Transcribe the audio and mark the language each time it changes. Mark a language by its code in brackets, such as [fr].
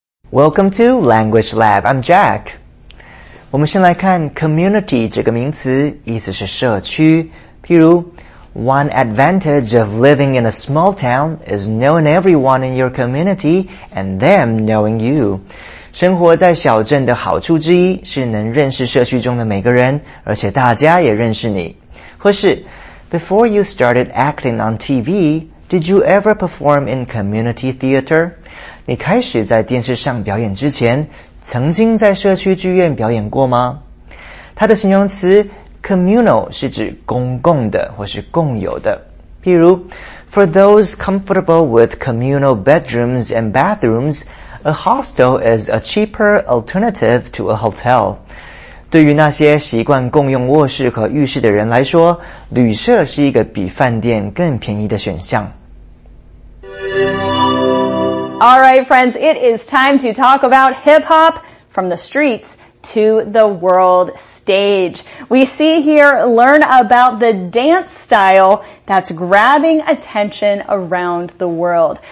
[en] Welcome to Language Lab. I'm Jack. [zh] 我们先来看 community 这个名词，意思是社区。 [en] 譬如 ,One advantage of living in a small town is knowing everyone in your community and them knowing you. [zh] 生活在小镇的好处之一是能认识社区中的每个人，而且大家也认识你。 [en] 或是 ,Before you started acting on TV, did you ever perform in community theater? [zh] 你开始在电视上表演之前曾经在社区剧院表演过吗？它的形容词 communal 是指公共的或是共有的。 [en] 譬如 ,For those comfortable with communal bedrooms and bathrooms, a hostel is a cheaper alternative to a hotel. [zh] 对于那些习惯共用卧室和浴室的人来说，旅社是一个比饭店更便宜的选项。 [en] All right, friends, it is time to talk about hip-hop from the streets to the world stage. We see here, learn about the dance style that's grabbing attention around the world.